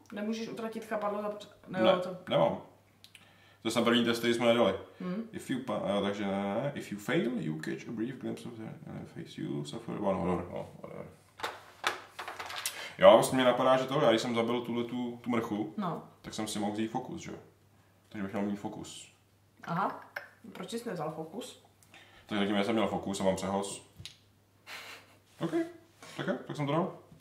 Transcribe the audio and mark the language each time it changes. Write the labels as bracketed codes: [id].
[cs] Nemůžeš utratit chapadlo za Nemám. To jsem první test, který jsme nedali. [en] If you fail, you catch a brief glimpse of their face, you suffer one horror. [cs] Jo, vlastně mě napadá, že to, já když jsem zabil tuhle tu mrchu, no, tak jsem si mohl vzít fokus, že jo? Takže bych měl mít fokus. Aha, proč jsi nevzal fokus? Takže tím, já jsem měl fokus a mám přehoz. OK, tak jsem to dal.